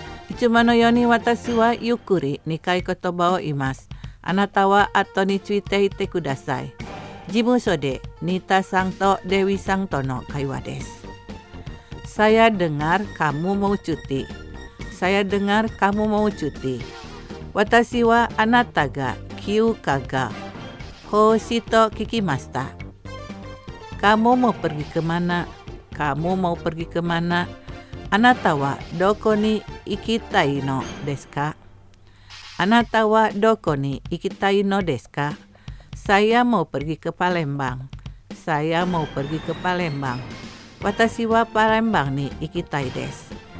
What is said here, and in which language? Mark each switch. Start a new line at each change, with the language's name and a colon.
Japanese: いつものように私はゆっくり2回言葉を言います。あなたは後についていてください。事務所でニタさんとデウィさんとの会話です。
Indonesian: Saya dengar kamu mau cuti. Saya dengar kamu mau cuti.
Japanese: 私はあなたが休暇が欲しいと聞きました。
Indonesian: Kamu mau pergi kemana? Kamu mau pergi kemana?
Japanese: あなたはどこに行きたいのですか？あなたはどこに行きたいのですか？
Indonesian: Saya mau pergi ke Palembang. Saya mau pergi ke Palembang.
Japanese: 私はパレンバンに行きたいです。